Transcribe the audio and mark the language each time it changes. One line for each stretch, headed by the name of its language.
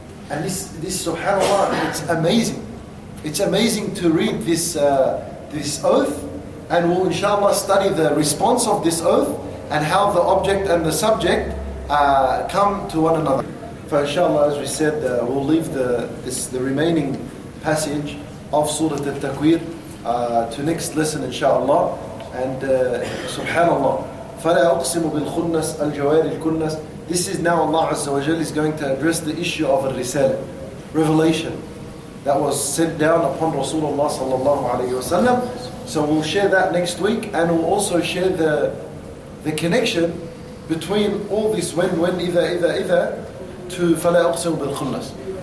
English: And this subhanallah, it's amazing. It's amazing to read this oath, and we'll inshallah study the response of this oath and how the object and the subject come to one another. Inshallah, as we said, we'll leave the remaining passage of Surah Al-Takwir to next lesson, inshallah.
Arabic: And subhanallah, فَلَا أُقْسِمُ بِالْخُنَّسِ الْجَوَارِ الْكُنَّسِ.
English: This is now Allah Azza wa Jal is going to address the issue of al-risala, revelation that was sent down upon Rasulullah sallallahu alayhi wa sallam. So we'll share that next week, and we'll also share the connection between all this when, either to فَلَا أُقْسِمُ بِالْخُنَّسِ.